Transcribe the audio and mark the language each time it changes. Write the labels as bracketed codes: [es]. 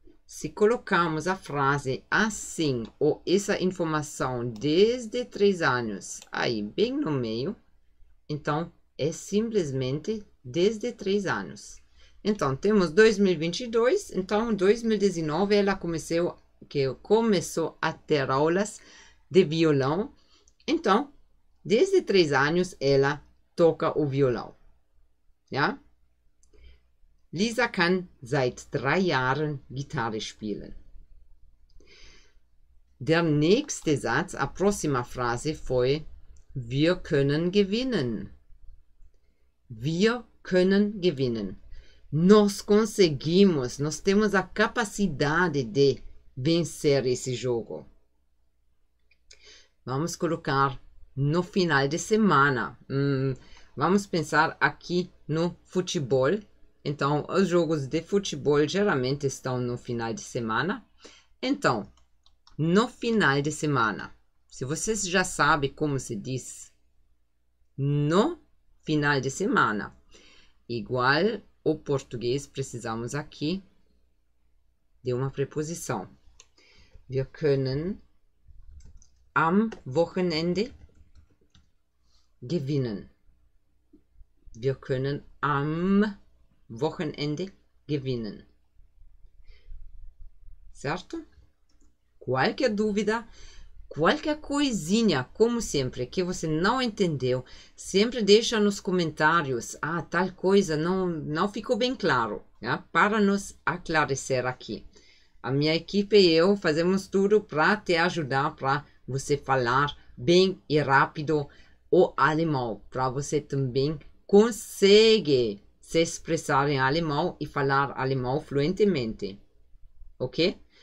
[pt] Se colocamos a frase assim, ou essa informação desde 3 anos, aí bem no meio, então é simplesmente desde 3 anos. Então, temos 2022, então 2019 ela começou a ter aulas de violão. Então, desde 3 anos ela toca o violão. Ja? [de] Lisa kann seit 3 Jahren Gitarre spielen. Der nächste Satz, [pt] a próxima frase foi, [de] wir können gewinnen. Wir können gewinnen. [pt] Nós conseguimos, nós temos a capacidade de vencer esse jogo. Vamos colocar no final de semana. Vamos pensar aqui no futebol. Então, os jogos de futebol geralmente estão no final de semana. Então, no final de semana. Se vocês já sabem como se diz no final de semana, igual o português, precisamos aqui de uma preposição. [de] Wir können am Wochenende gewinnen. Wir können am Wochenende gewinnen. [pt] Certo? Qualquer dúvida, qualquer coisinha, como sempre, que você não entendeu, sempre deixa nos comentários. Ah, tal coisa não ficou bem claro, né? Para nos aclarecer aqui. A minha equipe e eu fazemos tudo para te ajudar para você falar bem e rápido o alemão, para você também conseguir se expressar em alemão e falar alemão fluentemente. Ok?